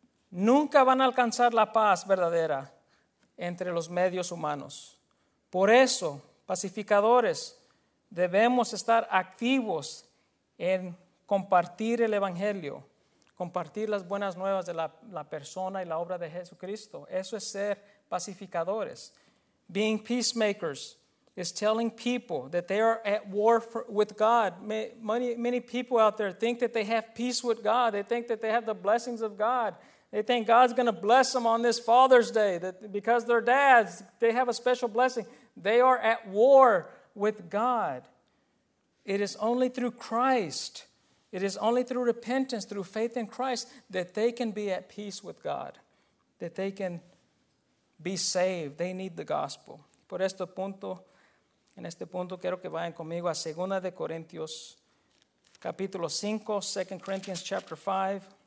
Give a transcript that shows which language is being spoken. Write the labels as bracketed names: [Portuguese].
[Spanish] Nunca van a alcanzar la paz verdadera entre los medios humanos. Por eso, pacificadores, debemos estar activos en compartir el Evangelio, compartir las buenas nuevas de la persona y la obra de Jesucristo. Eso es ser pacificadores. [English] Being peacemakers is telling people that they are at war with God. Many people out there think that they have peace with God. They think that they have the blessings of God. They think God's going to bless them on this Father's Day, that because they're dads, they have a special blessing. They are at war with God. It is only through Christ, it is only through repentance, through faith in Christ, that they can be at peace with God, that they can be saved. They need the gospel. [Spanish] Por este punto, en este punto, quiero que vayan conmigo a 2 Corintios, capítulo 5, [English] 2 Corinthians chapter 5.